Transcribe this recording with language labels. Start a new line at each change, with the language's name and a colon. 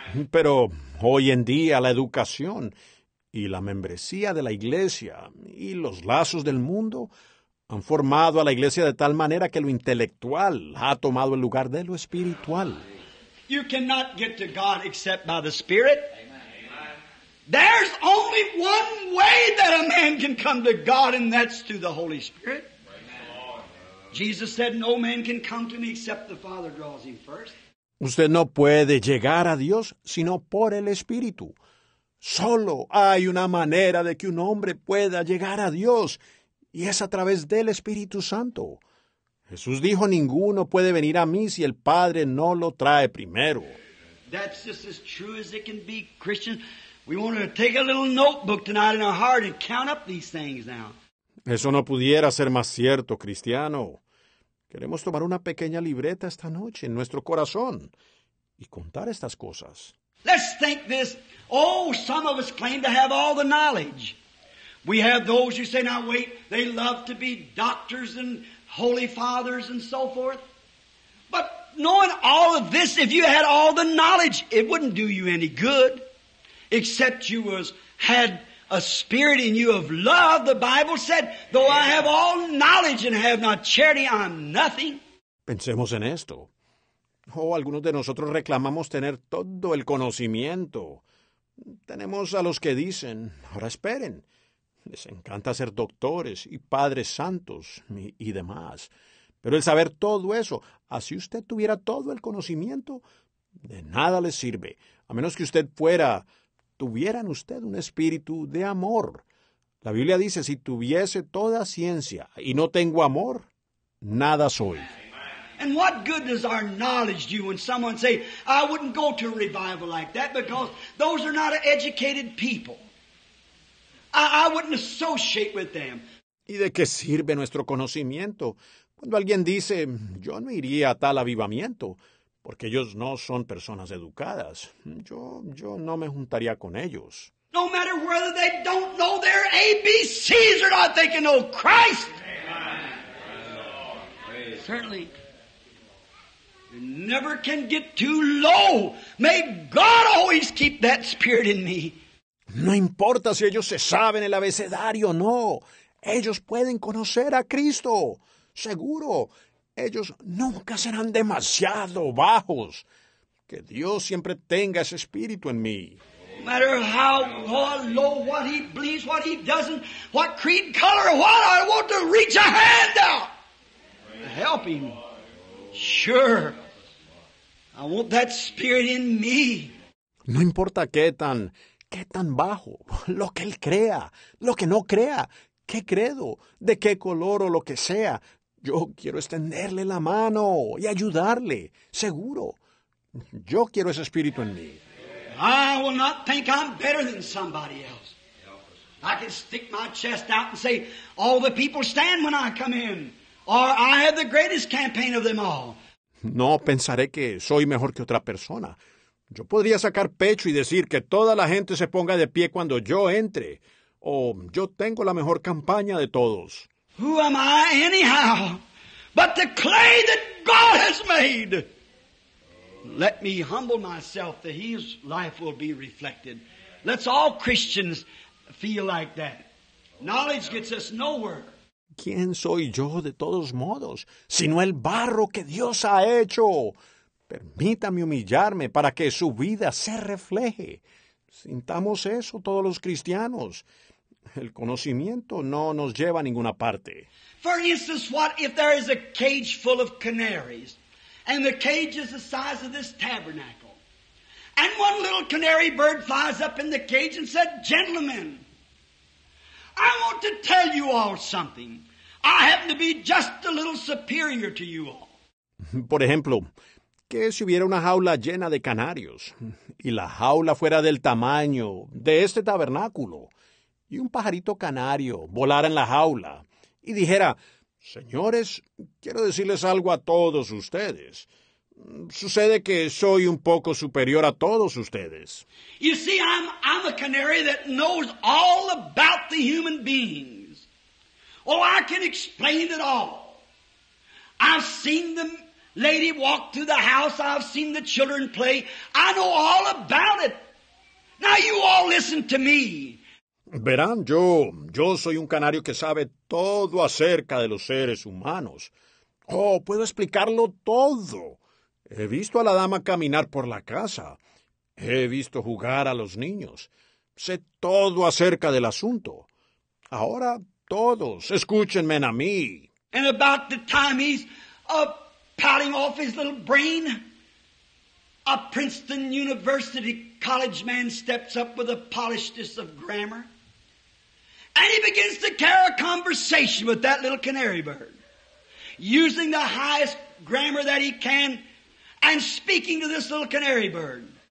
Spanish: Pero hoy en día la educación y la membresía de la iglesia y los lazos del mundo han formado a la iglesia de tal manera que lo intelectual ha tomado el lugar de lo espiritual.
English: You cannot get to God except by the Spirit. There's only one way that a man can come to God, and that's through the Holy Spirit. Jesus said, no man can come to me except the Father draws him first.
Spanish: Usted no puede llegar a Dios sino por el Espíritu. Solo hay una manera de que un hombre pueda llegar a Dios, y es a través del Espíritu Santo. Jesús dijo, ninguno puede venir a mí si el Padre no lo trae primero.
English: That's just as true as it can be, Christian. We want to take a little notebook tonight in our heart and count up these things now.
Spanish: Eso no pudiera ser más cierto, cristiano. Queremos tomar una pequeña libreta esta noche en nuestro corazón y contar estas cosas.
English: Let's think this. Oh, some of us claim to have all the knowledge. We have those who say, now wait, they love to be doctors and holy fathers and so forth. But knowing all of this, if you had all the knowledge, it wouldn't do you any good. Except you had a spirit in you of love. The Bible said, though I have all knowledge and have not charity, I'm nothing.
Spanish: Pensemos en esto. Algunos de nosotros reclamamos tener todo el conocimiento. Tenemos a los que dicen, ahora esperen. Les encanta ser doctores y padres santos y demás. Pero el saber todo eso, así usted tuviera todo el conocimiento, de nada les sirve. A menos que usted tuvieran usted un espíritu de amor. La Biblia dice, si tuviese toda ciencia y no tengo amor, nada soy.
English: And what good does our knowledge do when someone say, I wouldn't go to a revival like that because those are not educated people. I wouldn't associate with them.
Spanish: ¿Y de qué sirve nuestro conocimiento cuando alguien dice, yo no iría a tal avivamiento, porque ellos no son personas educadas? Yo no me juntaría con ellos.
English: No matter whether they don't know their ABCs or not, they can know Christ. Amen. Certainly, you never can get too low. May God always keep that spirit in me.
Spanish: No importa si ellos se saben el abecedario o no. Ellos pueden conocer a Cristo. Seguro, ellos nunca serán demasiado bajos. Que Dios siempre tenga ese espíritu en mí.
English: No matter how low, what he believes, what he doesn't, what creed, color, what, I want to reach a hand out. Help him. Sure. I want that spirit in me.
Spanish: No importa qué tan bajo, lo que él crea, lo que no crea, qué credo, de qué color o lo que sea, yo quiero extenderle la mano y ayudarle, seguro. Yo quiero ese espíritu en mí.
English: I will not think I'm better than somebody else. I can stick my chest out and say, all the people stand when I come in, or I have the greatest campaign of them all.
Spanish: No pensaré que soy mejor que otra persona. Yo podría sacar pecho y decir que toda la gente se ponga de pie cuando yo entre. O yo tengo la mejor campaña de todos.
English: Who am I anyhow but the clay that God has made? Let me humble myself that his life will be reflected. Let's all Christians feel like that. Knowledge gets us nowhere.
Spanish: ¿Quién soy yo de todos modos, sino el barro que Dios ha hecho? Permítame humillarme para que su vida se refleje. Sintamos eso todos los cristianos. El conocimiento no nos lleva a ninguna parte.
English: For instance, what if there is a cage full of canaries, and the cage is the size of this tabernacle, and one little canary bird flies up in the cage and said, gentlemen, I want to tell you all something. I happen to be just a little superior to you all.
Spanish: Por ejemplo, ¿qué si hubiera una jaula llena de canarios y la jaula fuera del tamaño de este tabernáculo y un pajarito canario volara en la jaula y dijera, señores, quiero decirles algo a todos ustedes. Sucede que soy un poco superior a todos ustedes.
English: You see, I'm a canary that knows all about the human beings. Oh, I can explain it all. I've seen the lady walk through the house. I've seen the children play. I know all about it. Now you all listen to me.
Spanish: Verán, yo soy un canario que sabe todo acerca de los seres humanos. Oh, puedo explicarlo todo. He visto a la dama caminar por la casa. He visto jugar a los niños. Sé todo acerca del asunto. Ahora, todos, escúchenme a mí.
English: And about the time he's pouting off his little brain, a Princeton University college man steps up with a polishedness of grammar. And he begins to carry a conversation with that little canary bird, using the highest grammar that he can and speaking to this little canary bird.